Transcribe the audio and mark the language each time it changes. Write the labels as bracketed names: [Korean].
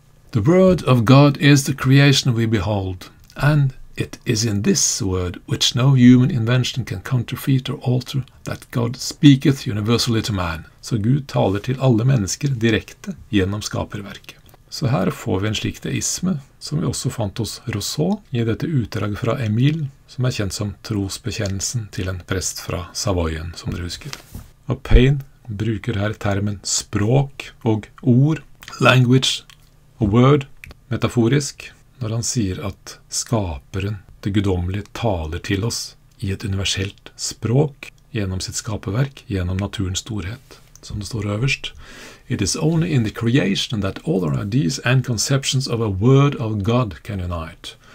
[English] «The word of God is the creation we behold, and it is in this word which no human invention can counterfeit or alter that God speaketh universally to man.» [Norwegian] Så Gud taler til alle mennesker direkte gjennom skaperverket. Så her får vi en slik deisme, som vi også fant hos Rousseau i dette utdraget fra Emile, som er kjent som trosbekjennelsen til en prest fra Savoyen, som dere husker. Og Paine bruker her termen språk og ord, language og word, metaforisk, når han sier at skaperen, det guddommelige, taler til oss i et universelt språk gjennom sitt skaperverk, gjennom naturens storhet, som det står øverst. [English] «It is only in the creation that all our ideas and conceptions of a word of God can unite.